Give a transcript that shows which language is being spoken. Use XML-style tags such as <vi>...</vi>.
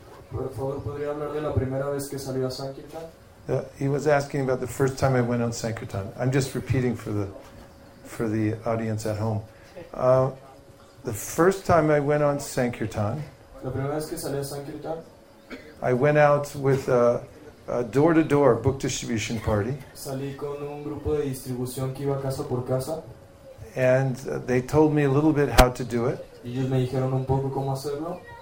<es>Por favor, ¿podría hablar de la primera vez que salió a Sankirtan?</es> <en>He was asking about the first time I went on Sankirtan. I'm just repeating for the audience at home. The first time I went on Sankirtan,</en> <es>la primera vez que salí a Sankirtan,</es> <en>I went out with a door-to-door book distribution party.</en> <es>Salí con un grupo de distribución que iba casa por casa.</es> <en>And they told me a little bit how to do it.</en> <es>Y ellos me dijeron un poco cómo hacerlo.</es>